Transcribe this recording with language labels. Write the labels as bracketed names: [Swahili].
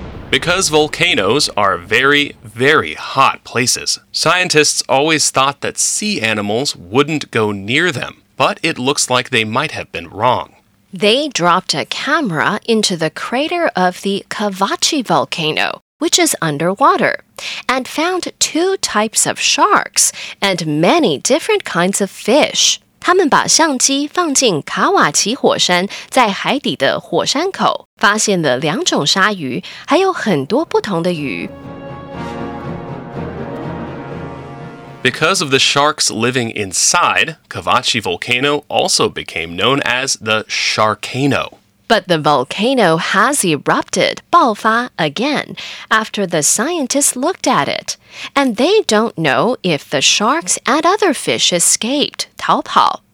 [English] Because volcanoes are very, very hot places, scientists always thought that sea animals wouldn't go near them, but it looks like they might have been wrong. They dropped a camera into the crater of the Cavachi volcano,which is underwater, and found two types of sharks and many different kinds of fish. [Chinese] 他们把相机放进卡瓦奇火山在海底的火山口，发现了两种鲨鱼，还有很多不同的鱼。 [English] Because of the sharks living inside, Cavachi Volcano also became known as the Sharkano. But the volcano has erupted, 爆发, again, after the scientists looked at it. And they don't know if the sharks and other fish escaped, 逃跑.